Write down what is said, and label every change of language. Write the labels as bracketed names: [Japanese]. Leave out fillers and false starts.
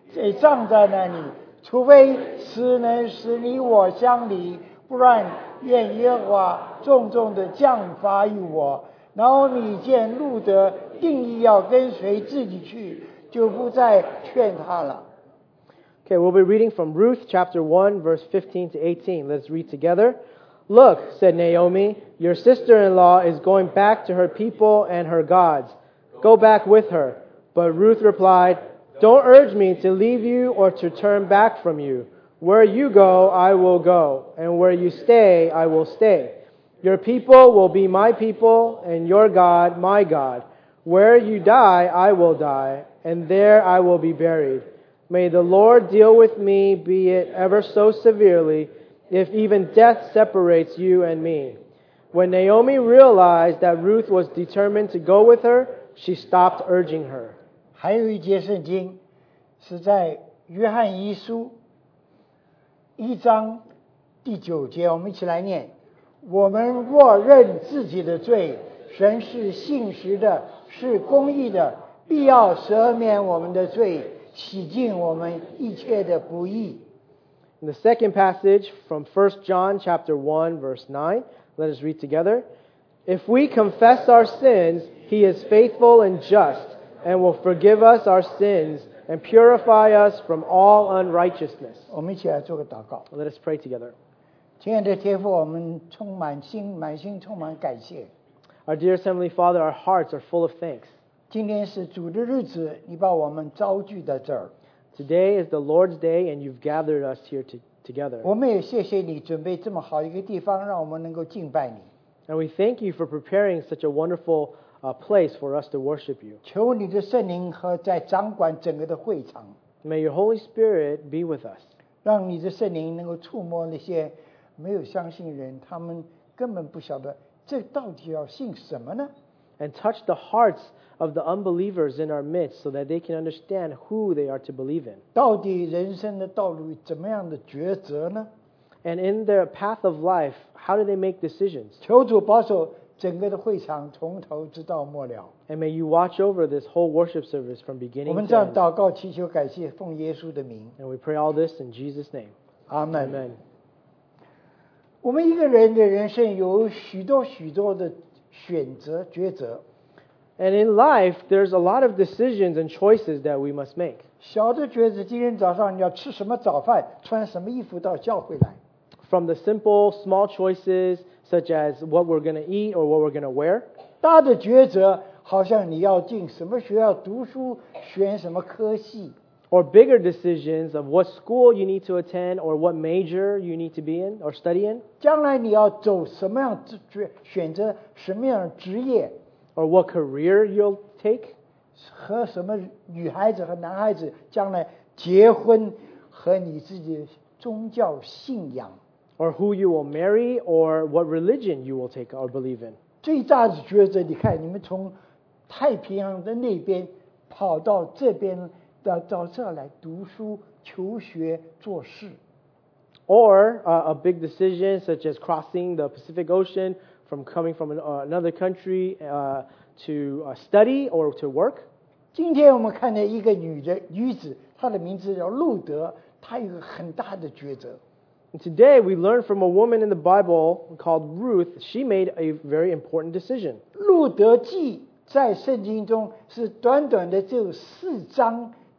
[Chinese] 得葬在那里，除非死能使你我相离，不然愿耶和华重重的降罚于我。拿俄米见路德定义要跟随自己去，就不再劝他了。 [English] Okay, we'll be reading from Ruth chapter 1, verse 15 to 18. Let's read together. Look, said Naomi, your sister-in-law is going back to her people and her gods. Go back with her. But Ruth replied,Don't urge me to leave you or to turn back from you. Where you go, I will go, and where you stay, I will stay. Your people will be my people, and your God, my God. Where you die, I will die, and there I will be buried. May the Lord deal with me, be it ever so severely, if even death separates you and me. When Naomi realized that Ruth was determined to go with her, she stopped urging her. [Chinese] 还有一节圣经是在约翰一书一章第九节，我们一起来念，我们若认自己的罪，神是信实的，是公义的，必要赦免我们的罪，洗净我们一切的不义。 [English] In the second passage from 1 John chapter 1 verse 9, let us read together. If we confess our sins, he is faithful and justand will forgive us our sins and purify us from all unrighteousness. [Chinese] 我们一起来做个祷告。 [English] Let us pray together. [Chinese] 亲爱的天父，我们充满心，满心充满感谢。 [English] Our dear Heavenly Father, our hearts are full of thanks. [Chinese] 今天是主的日子，你把我们召聚在这儿。 [English] Today is the Lord's day, and you've gathered us here together. [Chinese] 我们也谢谢你准备这么好一个地方，让我们能够敬拜你。 [English] And we thank you for preparing such a wonderful place for us to worship you. [Chinese] 求你的圣灵和在掌管整个的会场。 [English] May your Holy Spirit be with us. [Chinese] 让你的圣灵能够触摸那些没有相信人，他们根本不晓得这到底要信什么呢？ [English] And touch the hearts of the unbelievers in our midst so that they can understand who they are to believe in. [Chinese] 到底人生的道路怎么样的抉择呢？ [English] And in their path of life, how do they make decisions? [Chinese] 求主保守整个的会场从头直到末了。 [English] And may you watch over this whole worship service from beginning to end. [Chinese] 我们这样祷告祈求感谢奉耶稣的名。 [English] And we pray all this in Jesus' name. Amen. Amen. [Chinese] 我们一个人的人生有许多许多的选择抉择。 [English] And in life, there's a lot of decisions and choices that we must make. [Chinese] 小的抉择，今天早上你要吃什么早饭，穿什么衣服到教会来。 [English] From the simple, small choices, such as what we're going to eat or what we're going to wear. [Chinese] 大的抉择，好像你要进什么学校读书，选什么科系。 [English] Or bigger decisions of what school you need to attend or what major you need to be in or study in. [Chinese] 将来你要走什么样选择什么样职业 [English] or what career you'll take. [Chinese] 和什么女孩子和男孩子将来结婚和你自己宗教信仰 [English] or who you will marry or what religion you will take or believe in. [Chinese] 最大的抉择，你看你们从太平洋的那边跑到这边到这来读书、求学、做事。 [English] Or a big decision such as crossing the Pacific Ocean from coming from another country to study or to work. [Chinese] 今天我们看见一个女子，她的名字叫路德，她有个很大的抉择。 [English] Today we learn from a woman in the Bible called Ruth. She made a very important decision. [Chinese] 路德记在圣经中是短短的只有四章。